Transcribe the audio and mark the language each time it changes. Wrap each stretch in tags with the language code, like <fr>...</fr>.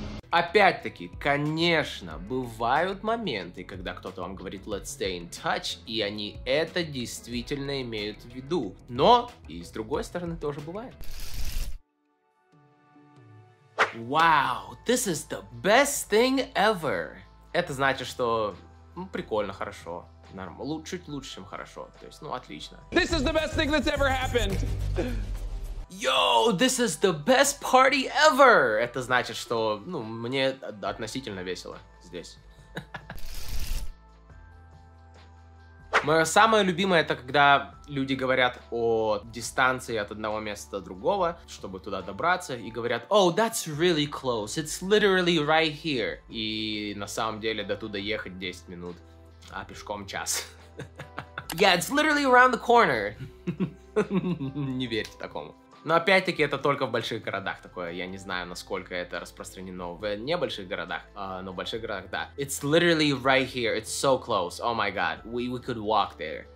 <ru>Опять-таки, конечно, бывают моменты, когда кто-то вам говорит</ru> <en>let's stay in touch,</en> <ru>и они это действительно имеют в виду. Но и с другой стороны тоже бывает.</ru> <en>Wow, this is the best thing ever.</en> <ru>Это значит, что ну, прикольно, хорошо, нормально, чуть лучше, чем хорошо, то есть, ну, отлично.</ru> <en>This is the best thing that's ever happened. Yo, this is the best party ever.</en> <ru>Это значит, что, ну, мне относительно весело здесь. Мое самое любимое, это когда люди говорят о дистанции от одного места до другого, чтобы туда добраться, и говорят,</ru> <en>oh, that's really close, it's literally right here.</en> <ru>И на самом деле до туда ехать 10 минут, а пешком час.</ru> <en>Yeah, it's literally around the corner.</en> <ru>Не верьте такому. Но опять-таки это только в больших городах такое, я не знаю, насколько это распространено в небольших городах, но в больших городах, да.</ru> <en>It's literally right here, it's so close, oh my god, we could walk there.</en>